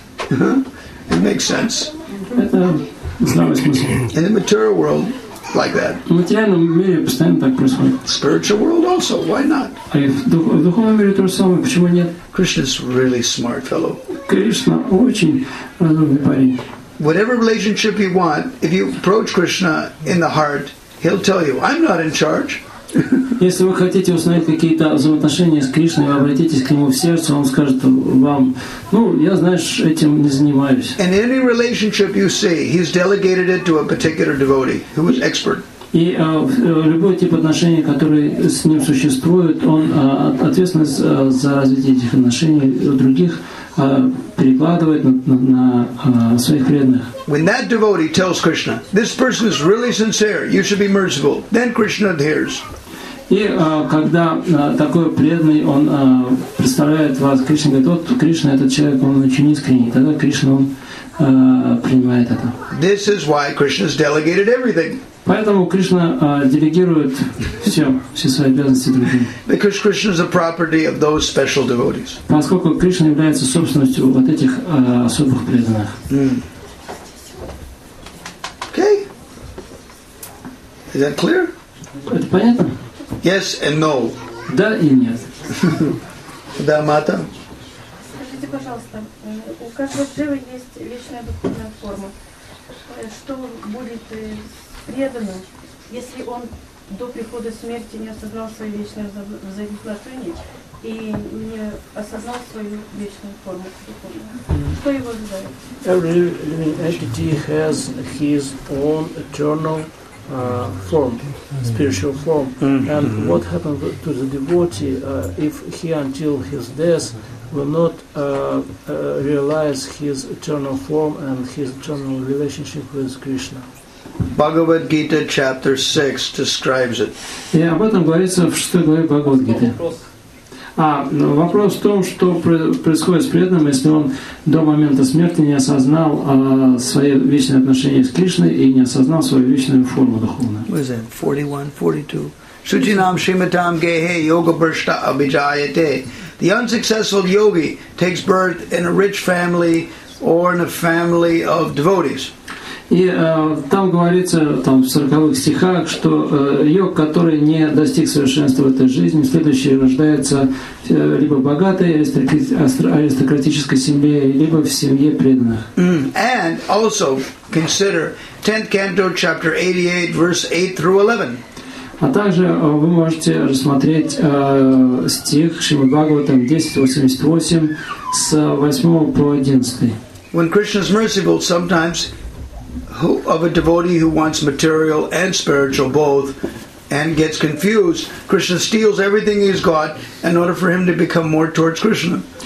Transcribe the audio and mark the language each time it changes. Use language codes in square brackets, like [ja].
[en] It makes sense. [ru] Это здравый смысл. [en] In the material world, like that. [ru] В материальном мире постоянно так происходит. [en] Spiritual world also. Why not? [ru] В духовном мире то же самое. Почему нет? [en] Krishna's really smart fellow. [ru] Кришна очень разумный парень. [en] Whatever relationship you want, if you approach Krishna in the heart, he'll tell you, I'm not in charge. [ru] Если вы хотите установить какие-то взаимоотношения с Кришной, вы обратитесь к нему в сердце, он скажет вам, ну, я, знаешь, этим не занимаюсь. [en] And any relationship you see, he's delegated it to a particular devotee who is expert. [ru] И любой тип отношений, который с ним существует, он ответственность за развитие этих отношений у других перекладывает на своих преданных. [en] When that devotee tells Krishna, this person is really sincere, you should be merciful, then Krishna hears. [ru] И когда такой преданный, он представляет вас Кришне, говорит, вот Кришна, этот человек, он очень искренний, тогда Кришна, он принимает это. [en] This is why Krishna's delegated everything. [ru] Поэтому Кришна делегирует все, все свои обязанности другим. [en] Because Krishna is a property of those special devotees. [ru] Поскольку Кришна является собственностью вот этих особых преданных. [en] Okay. Is that clear? [ru] Это понятно? [en] Yes and no. [ru] Да и нет. Да, Мата? Скажите, пожалуйста, у каждого джива есть вечная духовная форма. Что будет преданным, если он до прихода смерти не осознал свое вечное взаимоотношение и не осознал свою вечную форму? Что его ожидает? [en] Every living entity has his own eternal form, spiritual form. And what happens to the devotee if he until his death will not realize his eternal form and his eternal relationship with Krishna? Bhagavad Gita chapter 6 describes it. [ru] Yeah, об этом говорится в 6 главе Бхагавад Гиты. Вопрос в том, что происходит с преданным, если он до момента смерти не осознал свои вечные отношения с Кришной и не осознал свою вечную форму духовную. [en] What is that? 41, 42. [sa] Сучинам шиматам гехе йога бршта абиджаяте. [en] The unsuccessful yogi takes birth in a rich family or in a family of devotees. [ru] И там говорится там, в 40-х стихах, что йог, который не достиг совершенства в этой жизни, следующий рождается либо в богатой аристократической семье, либо в семье преданных. [en] And also consider 10th canto, chapter 88, verse 8 through 11. [ru] А также вы можете рассмотреть стих Шримад-Бхагаватам 10.88 с 8 по 11. [en] When Krishna is merciful, sometimes of a devotee who wants material and spiritual both and gets confused, Krishna steals everything he's got in order for him to become more towards Krishna.